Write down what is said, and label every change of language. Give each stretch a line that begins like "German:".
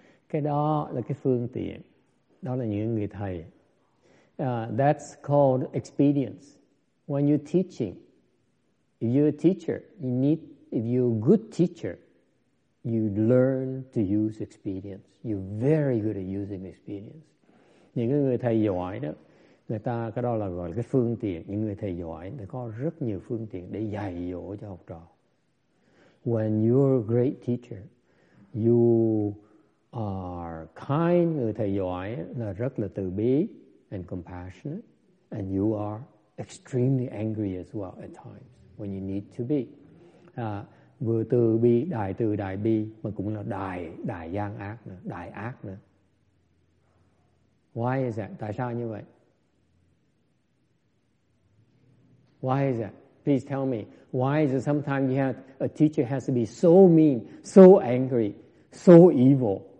Vietnamese: Cái đó là cái phương tiện. Đó là những người thầy.
English: That's called expedience. When you're teaching, if you're a teacher, if you're a good teacher, you learn to use expedience. You're very good at using experience.
Vietnamese: Những người thầy giỏi đó, người ta cái đó là gọi là cái phương tiện. Những người thầy giỏi, người ta có rất nhiều phương tiện để dạy dỗ cho học trò.
English: When you're a great teacher, you are kind.
Vietnamese: Người thầy giỏi là rất là từ bi
English: and compassionate. And you are extremely angry as well at times when you need to be.
Vietnamese: Vừa từ bi, đại từ đại bi, mà cũng là đại gian ác nữa, đại ác nữa.
English: Why is that?
Vietnamese: Tại sao như vậy?
English: Why is that? Please tell me. Why is it sometimes a teacher has to be so mean, so angry, so evil?